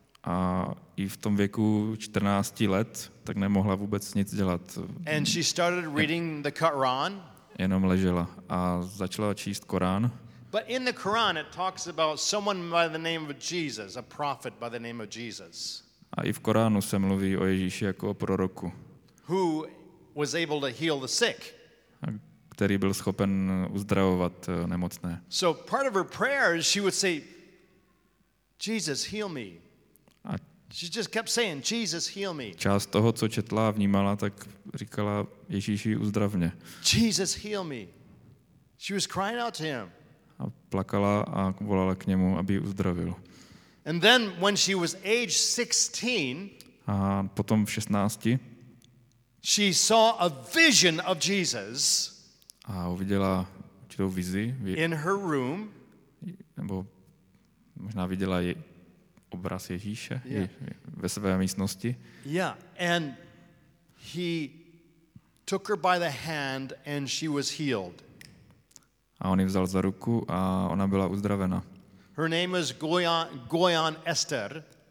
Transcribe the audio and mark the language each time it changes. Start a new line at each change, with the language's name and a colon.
Czech: A i v tom věku 14 let tak nemohla vůbec nic dělat.
English: And she started reading the Quran.
Czech: Jenom ležela a začala číst Korán.
English: But in the Quran it talks about someone by the name of Jesus, a prophet by the name of Jesus.
Czech: A i v Koránu se mluví o Ježíši jako o proroku.
English: Who was able to heal the sick.
Czech: Který byl schopen uzdravovat nemocné.
English: So part of her prayers she would say, Jesus, heal me. She just kept saying, Jesus, heal me.
Czech: Část toho, co četla a vnímala, tak říkala, Ježíši, uzdrav mě.
English: Jesus, heal me. She was crying out to him.
Czech: A plakala a volala k němu, aby ji uzdravil.
English: And then when she was age 16,
Czech: a potom v 16,
English: she saw a vision of Jesus.
Czech: A uviděla určitou vizi.
English: In her room.
Czech: Nebo možná viděla ji. Obraz Ježíše ve své místnosti.
English: Yeah, and he took her by the hand and she was healed.
Czech: A on ji vzal za ruku a ona byla uzdravena.
English: Her name is Goyan Esther.